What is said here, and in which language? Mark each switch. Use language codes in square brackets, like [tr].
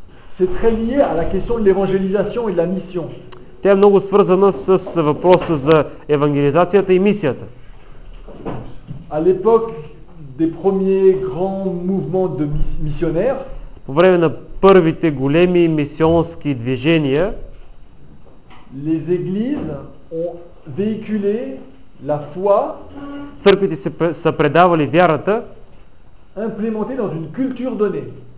[fr] C'est très lié à la question de l'évangélisation et de la mission. [bg] Тя е много свързана с въпроса за евангелизацията и мисията. [fr] À l'époque des premiers grands mouvements de missionnaires, [bg] по време на първите големи мисионски движения, [fr] les églises ont véhiculé la foi, [bg] църквите са предавали вярата, [fr] implémentée dans une culture donnée,